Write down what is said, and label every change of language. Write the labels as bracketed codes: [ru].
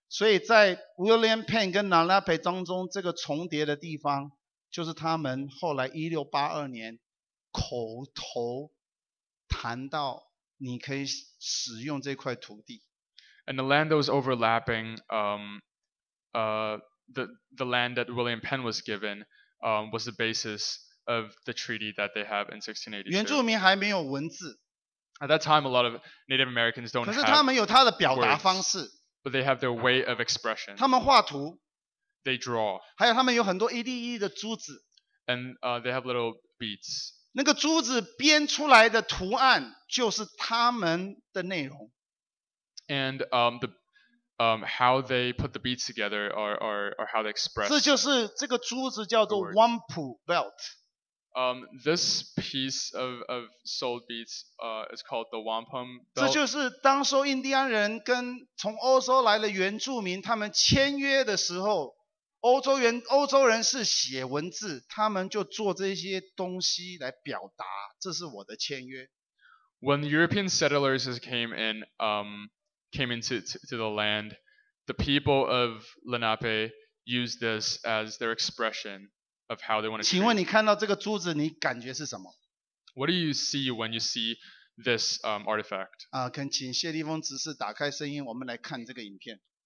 [zh] 所以在 William Penn 跟 Lenape 当中这个重叠的地方，就是他们后来1682年口头谈到你可以使用这块土地。 [en] And the land that was overlapping, the land that William Penn was given, was the basis of the treaty that they have in 1682. [zh] 原住民还没有文字。 [en] At that time, a lot of Native Americans don't have words. [zh] 可是他们有他的表达方式。 [en] But they have their way of expression. [zh] 他们画图。 [en] They draw. [zh] 还有他们有很多一粒一粒的珠子。 [en] And they have little beads. [zh] 那个珠子编出来的图案就是他们的内容。 [en] And how they put the beads together or how they express. [zh] 这就是这个珠子叫做 Wampu Belt. [en] This piece of sold beads is called the Wampum Belt. [zh] 这就是当初印第安人跟从欧洲来的原住民他们签约的时候，欧洲人是写文字，他们就做这些东西来表达，这是我的签约。 [en] When European settlers came in, came into the land, the people of Lenape used this as their expression of how they want to. [zh] 请问你看到这个珠子，你感觉是什么 [en] ？What do you see when you see this artifact？ [zh] 啊，恳请谢立峰执事打开声音，我们来看这个影片。